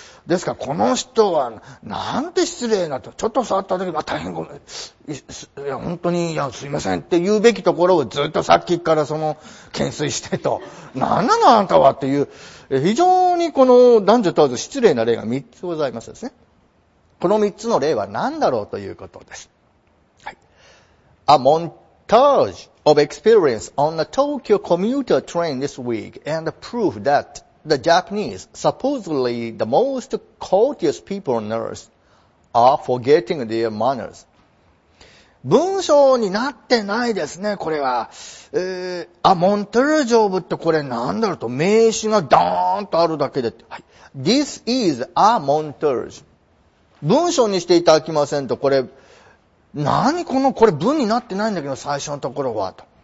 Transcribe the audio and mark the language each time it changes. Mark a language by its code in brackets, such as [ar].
[ja] ですからこの人はなんて失礼なと、ちょっと触った時は大変ごめん、いや本当にいやすいませんって言うべきところをずっとさっきからその懸垂してと、何なのあんたはっていう、非常にこの男女問わず失礼な例が3つございますですね。この3つの例は何だろうということです。はい。 [en] A montage of experience on the Tokyo commuter train this week and proof thatThe Japanese, supposedly the most courteous people on earth, are forgetting their manners. [ja] 文章になってないですね、これは。あ、モンタージョブってこれなんだろうと、名詞がドーンとあるだけで。はい、 [en] This is a montage. [ja] 文章にしていただきませんと、これ何このこれ文になってないんだけど最初のところはと。